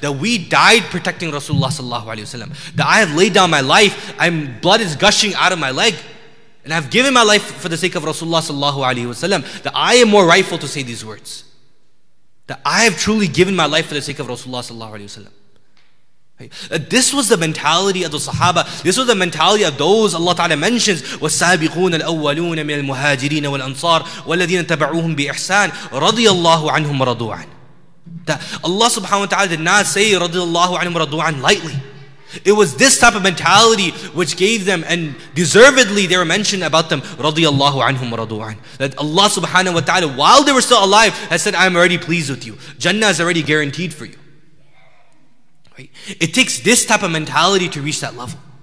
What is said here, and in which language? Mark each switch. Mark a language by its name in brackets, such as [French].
[English] That we died protecting Rasulullah sallallahu alayhi wasallam. That I have laid down my life, blood is gushing out of my leg. And I've given my life for the sake of Rasulullah sallallahu alayhi wasallam. That I am more rightful to say these words. That I have truly given my life for the sake of Rasulullah sallallahu alayhi wasallam. This was the mentality of the Sahaba. This was the mentality of those Allah Ta'ala mentions, [Arabic] وَالسَّابِقُونَ الْأَوَّلُونَ مِنَ الْمُهَاجِرِينَ وَالْأَنصَارِ وَالَّذِينَ تَبَعُوهُمْ بِإِحْسَانِ رَضِيَ اللَّهُ عَنْهُمْ رَضُوعًا. [English] Allah Subhanahu wa Ta'ala did not say [Arabic] رَضِيَ اللَّهُ عَنْهُمْ رَضُوعًا [English] lightly. It was this type of mentality which gave them, and deservedly they were mentioned about them, [Arabic] رَضِيَ اللَّهُ عَنْهُمْ رَضُوعًا. [English] That Allah Subhanahu wa Ta'ala, while they were still alive, has said, I'm already pleased with you. Jannah is already guaranteed for you. It takes this type of mentality to reach that level.